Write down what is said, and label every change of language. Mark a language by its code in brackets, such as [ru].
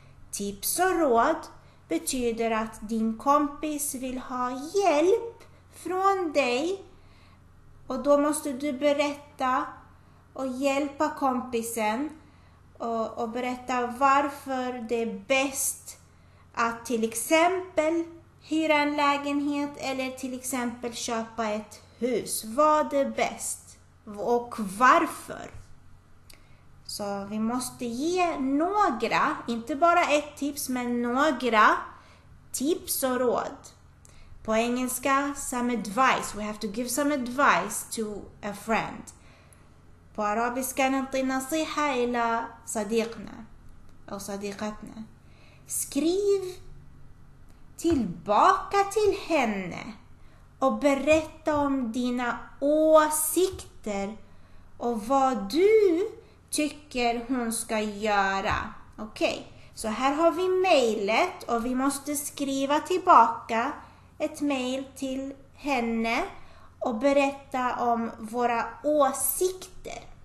[sv] Tips och råd betyder att din kompis vill ha hjälp från dig och då måste du berätta och hjälpa kompisen och berätta varför det är bäst att till exempel hyra en lägenhet eller till exempel köpa ett hus. Vad är bäst och varför? Så vi måste ge några, inte bara ett tips, men några tips och råd. På engelska, [en] some advice. We have to give some advice to a friend. [sv] På arabiska [ar] نعطي نصيحة إلى صديقنا أو صديقتنا. [sv] Skriv tillbaka till henne och berätta om dina åsikter och vad du tycker hon ska göra. Okej, okay. Så här har vi mejlet och vi måste skriva tillbaka ett mejl till henne och berätta om våra åsikter.